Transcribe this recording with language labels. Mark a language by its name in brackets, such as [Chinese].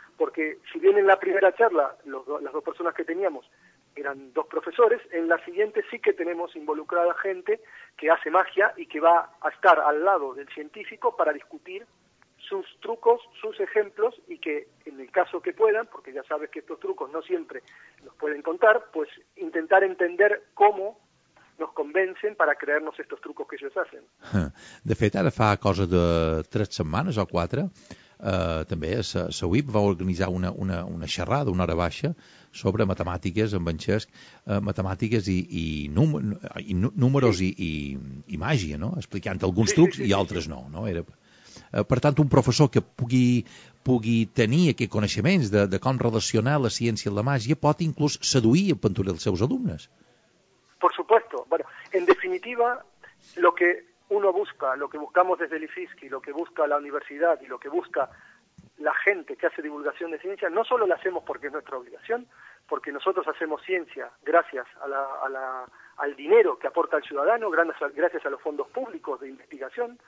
[Spanish] Porque si bien en la primera charla las dos personas que teníamos eran dos profesores, en la siguiente sí que tenemos involucrada gente que hace magia y que va a estar al lado del científico para discutir sus trucos, sus ejemplos, y que en el caso que puedan, porque ya sabes que estos trucos no siempre los pueden contar, pues intentar entender cómo nos convencen para creernos estos trucos que ellos hacen. [Catalan] De fet, ara fa cosa de 3 setmanes o 4... també la UIP va organitzar una xerrada, una hora baixa sobre matemàtiques amb en Xesc, matemàtiques números i màgia, no? Explicant alguns trucs i altres no, no? Per tant, un professor que pugui tenir aquests coneixements de com relacionar la ciència i la màgia pot inclús seduir i aventurar els seus alumnes. [Spanish] Por supuesto. Bueno, en definitiva, lo que uno busca, lo que buscamos desde el IFISC, lo que busca la universidad y lo que busca la gente que hace divulgación de ciencia, no solo la hacemos porque es nuestra obligación, porque nosotros hacemos ciencia gracias al dinero que aporta el ciudadano, gracias a los fondos públicos de investigación.